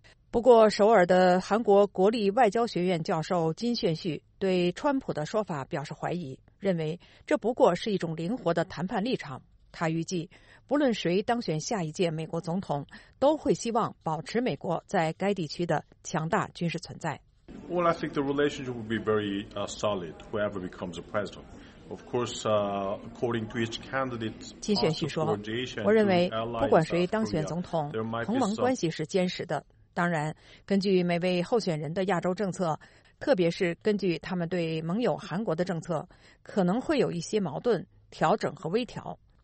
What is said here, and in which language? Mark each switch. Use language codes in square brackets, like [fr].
[zh] 不过，首尔的韩国国立外交学院教授金炫旭对川普的说法表示怀疑，认为这不过是一种灵活的谈判立场。他预计，不论谁当选下一届美国总统，都会希望保持美国在该地区的强大军事存在。 [en] Well, I think the relationship will be very solid whoever becomes a president. Of course, according to each candidate, [zh] 金选旭说，我认为不管谁当选总统，同盟关系是坚实的。当然，根据每位候选人的亚洲政策，特别是根据他们对盟友韩国的政策，可能会有一些矛盾、调整和微调。